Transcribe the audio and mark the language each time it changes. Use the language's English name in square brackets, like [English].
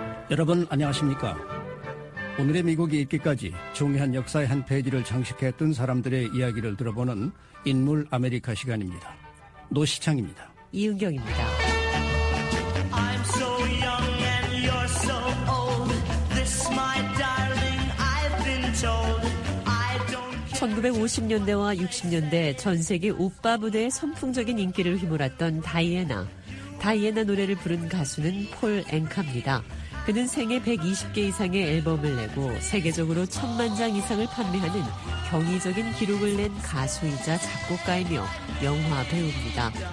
[Korean] 여러분 안녕하십니까. 오늘의 미국이 있기까지 중요한 역사의 한 페이지를 장식했던 사람들의 이야기를 들어보는 인물 아메리카 시간입니다. 노시창입니다. 이은경입니다. [English] I'm so young and you're so old. This my darling I've been told. I don't care. [Korean] 1950년대와 60년대 전 세계 오빠 무대의 선풍적인 인기를 휘몰았던 다이애나. 다이애나 노래를 부른 가수는 폴 앵카입니다. 그는 생애 120개 이상의 앨범을 내고 세계적으로 천만 장 이상을 판매하는 경이적인 기록을 낸 가수이자 작곡가이며 영화 배우입니다.